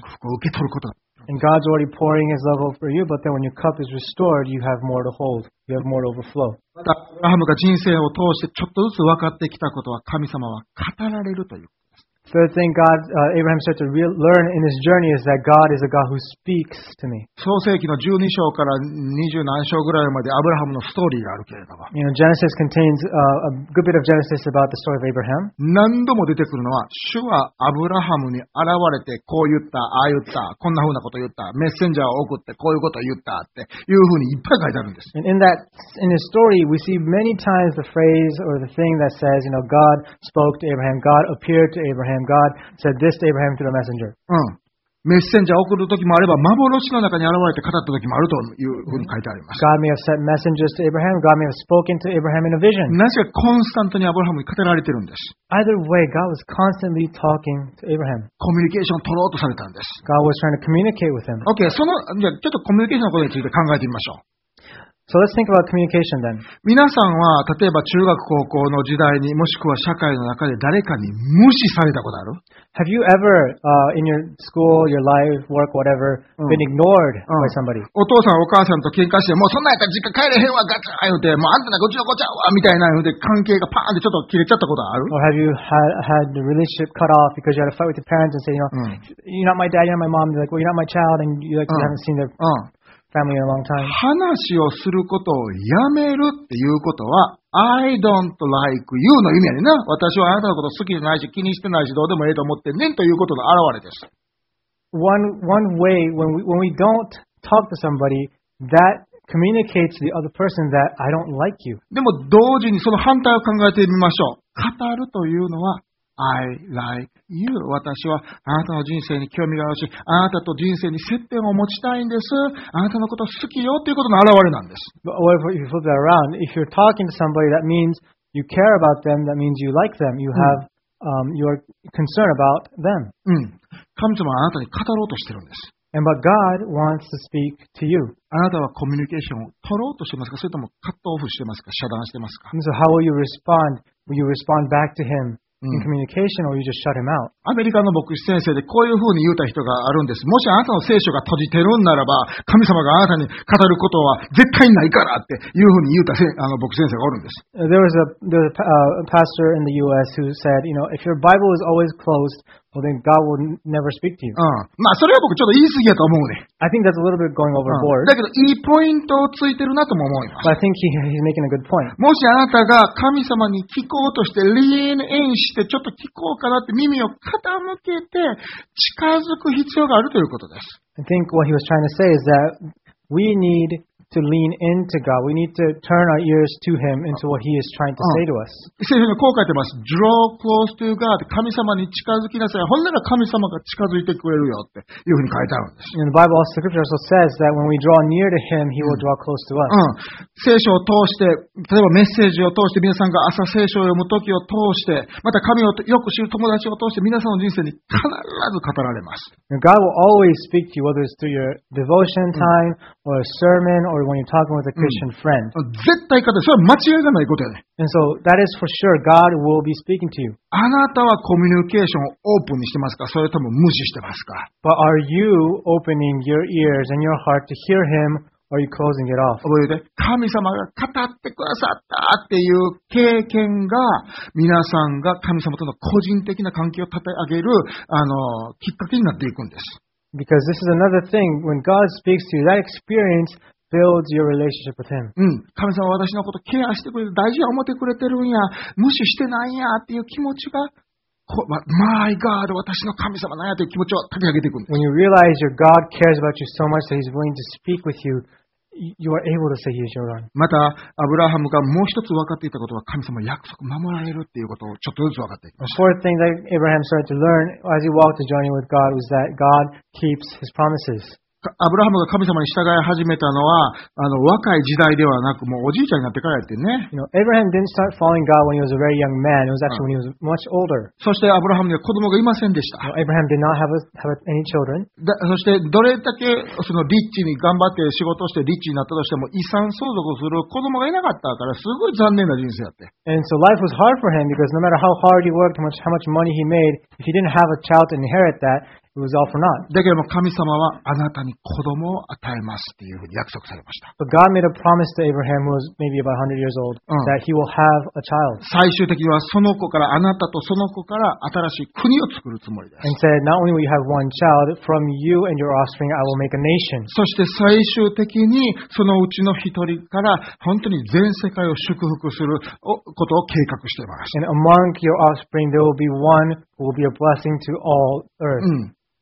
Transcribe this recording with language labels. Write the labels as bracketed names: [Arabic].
[Japanese] 祝福を受け取ること。 [English] And God's already pouring His love over you, but then when your cup is restored, you have more to hold. You have more to overflow. [Japanese] またアブラハムが人生を通してちょっとずつ分かってきたことは神様は語られるという。 [English] Third thing God, Abraham started to learn in his journey is that God is a God who speaks to me. [Japanese] 創世記の12章から20何章ぐらいまでアブラハムのストーリーがあるけれども。 [English] You know, Genesis contains a good bit of Genesis about the story of Abraham. [Japanese] 何度も出てくるのは、主はアブラハムに現れてこう言った、ああ言った、こんな風なこと言った、メッセンジャーを送ってこういうこと言ったっていう風にいっぱい書いてあるんです。 [English] And in his story, we see many times the phrase or the thing that says, you know, God spoke to Abraham, God appeared to Abraham. God said this to Abraham through a messenger. [Japanese] うん、メッセンジャーを送る時もあれば、幻の中に現れて語った時もあるというふうに書いてあります。 [English] God may have sent messengers to Abraham. God may have spoken to Abraham in a vision. [Japanese] なぜかコンスタントにアブラハムに語られてるんです。 [English] Either way, God was constantly talking to Abraham. [Japanese] コミュニケーションを取ろうとされたんです。 [English] God was trying to communicate with him. [Japanese] Okay, そのじゃあちょっとコミュニケーションのことについて考えてみましょう。 [English] So let's think about communication then. [Japanese] 皆さんは例えば中学高校の時代にもしくは社会の中で誰かに無視されたことある？ [English] Have you ever, in your school, your life, work, whatever, been ignored by somebody? [Japanese] お父さんお母さんと喧嘩してもうそんなやったら実家帰れへんわガチャー言うてもうあんたなごちゃごちゃわみたいな言うて関係がパーンってちょっと切れちゃったことある？ [English] Or have you had the relationship cut off because you had a fight with your parents and said, you know, you're not my dad, you're not my mom, they're like, well, you're not my child, and you like, you haven't seen their family in a long time. [Japanese] 話をすることをやめるっていうことは [English] I don't like you [Japanese] の意味やねんな。私はあなたのこと好きじゃないし気にしてないしどうでもいいと思ってねんということの表れです。 [English] One way when we don't talk to somebody that communicates to the other person that I don't like you. [Japanese] でも同時にその反対を考えてみましょう。語るというのは [English] I like you. [Japanese] 私はあなたの人生に興味があるし、あなたと人生に接点を持ちたいんです。あなたのこと好きよということの表れなんです。 [English] Or if you flip that around, if you're talking to somebody, that means you care about them, that means you like them, you have, you're concerned about them. [Japanese] 神様はあなたに語ろうとしてるんです。 [English] And but God wants to speak to you. [Japanese] あなたはコミュニケーションを取ろうとしてますか、それともカットオフしてますか、遮断してますか。 [English] So how will you respond? Will you respond back to him? In communication, or you just shut him out. [Japanese] アメリカの牧師先生でこういうふうに言った人があるんです。もしあなたの聖書が閉じてるんならば、神様があなたに語ることは絶対ないからっていうふうに言ったあの牧師先生がおるんです。 [English] There was a pastor in the U.S. who said, you know, if your Bible is always closed, well then God will never speak to you. [Japanese] まあそれは僕ちょっと言い過ぎやと思うね。 [English] I think that's a little bit going overboard. [Japanese] だけどいいポイントをついてるなとも思います。 [English] But I think he's making a good point. [Japanese] もしあなたが神様に聞こうとして [English] lean in [Japanese] してちょっと聞こうかなって耳を傾けて近づく必要があるということです。 [English] I think what he was trying to say is that we need to lean into God. We need to turn our ears to him into what he is trying to say to us. [Japanese] 聖書にこう書いてます。 [English] Draw close to God. [Japanese] 神様に近づきなさい。ほんなら神様が近づいてくれるよっていうふうに書いてあるんです。 [English] And the Bible also scripture also says that when we draw near to him, he will draw close to us. [Japanese] 聖書を通して、例えばメッセージを通して皆さんが朝聖書を読むときを通して、また神をよく知る友達を通して皆さんの人生に必ず語られます。 [English] God will always speak to you, whether it's through your devotion time, or a sermon, or when you're talking with a Christian friend. [Japanese] 絶対語る。それは間違いがないことやね。 [English] And so, that is for sure, God will be speaking to you. [Japanese] あなたはコミュニケーションをオープンにしてますか？それとも無視してますか？ [English] But are you opening your ears and your heart to hear him, or are you closing it off? [Japanese] 覚えて。神様が語ってくださったっていう経験が、皆さんが神様との個人的な関係を立て上げる、きっかけになっていくんです。 [English] Because this is another thing, when God speaks to you, that experience builds your relationship with him. [Japanese] 神様は私のことケアしてくれて、大事に思ってくれてるんや、無視してないんやっていう気持ちが、 [English] My God, [Japanese] 私の神様なんやという気持ちを立て上げていくんです。 [English] When you realize your God cares about you so much that he's willing to speak with you, you are able to say he is your God. [Japanese] また、アブラハムがもう一つ分かっていたことは、神様約束守られるっていうことをちょっとずつ分かっていきます。 [English] The fourth thing that Abraham started to learn as he walked the journey with God was that God keeps his promises. [Japanese] アブラハムが神様に従い始めたのは若い時代ではなくもうおじいちゃんになってからやってね。 [English] You know, Abraham didn't start following God when he was a very young man. It was actually when he was much older. [Japanese] そしてアブラハムには子供がいませんでした。 [English] Abraham did not have any children. [Japanese] そしてどれだけそのリッチに頑張って仕事をしてリッチになったとしても遺産相続をする子供がいなかったからすごい残念な人生やって。 [English] And so life was hard for him because no matter how hard he worked, how much money he made, if he didn't have a child to inherit that,It was all for not. [Japanese] だけども神様はあなたに子供を与えますっていうふうに約束されました。 [English] But God made a promise to Abraham, who was maybe about 100 years old, that he will have a child. [Japanese] 最終的にはその子からあなたとその子から新しい国を作るつもりです。 [English] And said, not only will you have one child from you and your offspring, I will make a nation. [Japanese] そして最終的にそのうちの一人から本当に全世界を祝福することを計画しています。 [English] And among your offspring, there will be one who will be a blessing to all earth.